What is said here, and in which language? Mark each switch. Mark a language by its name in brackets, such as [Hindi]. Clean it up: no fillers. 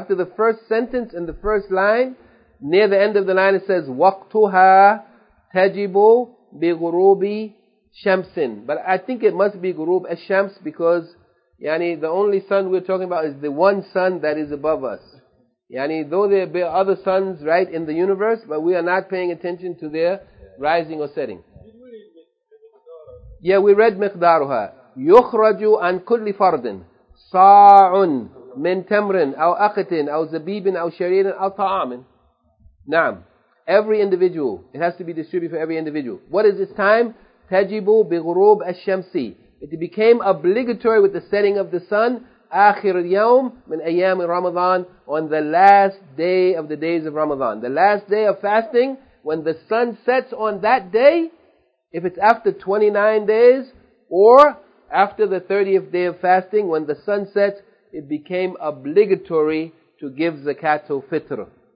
[English] After the first sentence in the first line, near the end of the line it says, [Arabic] Waqtuha tajibu bi ghurubi shamsin. [English] But I think it must be ghurub ash-shams because yani the only sun we're talking about is the one sun that is above us. Yani, though there be other suns, right, in the universe, but we are not paying attention to their rising or setting. Yeah, we read miqdaruha. [Arabic] يُخْرَجُ عَنْ كُلِّ فَرْدٍ صَاعٌ مِنْ تَمْرٍ أَوْ أَقِتٍ أَوْ زَبِيبٍ أَوْ شَرِيرٍ أَوْ طَعَامٍ. Naam. [English] Every individual, it has to be distributed for every individual. What is its time? [Arabic] تَجِبُ بِغُرُوبِ الشَّمْسِ. [English] It became obligatory with the setting of the sun [Arabic] آخر اليوم من أيام رمضان, [English] on the last day of the days of Ramadan. The last day of fasting, when the sun sets on that day, if it's after 29 days, or after the 30th day of fasting, when the sun sets, it became obligatory to give zakat al-fitr.